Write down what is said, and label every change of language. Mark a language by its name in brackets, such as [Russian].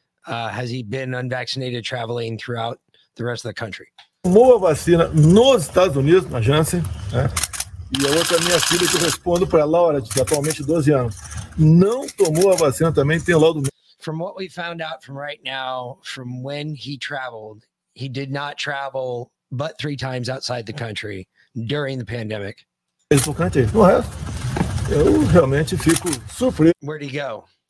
[English] Has he been unvaccinated traveling throughout the rest of the country? [Portuguese] Tomou a vacina nos Estados Unidos, na Janssen. E a outra minha filha, que eu respondo para a Laura, de atualmente 12 anos. Não tomou a vacina também, tem laudo. [English] From what we found out from right now, from when he traveled, he did not travel but 3 times outside the country during the pandemic. [Portuguese] No resto, eu realmente fico surpreso. [English] Where'd he go?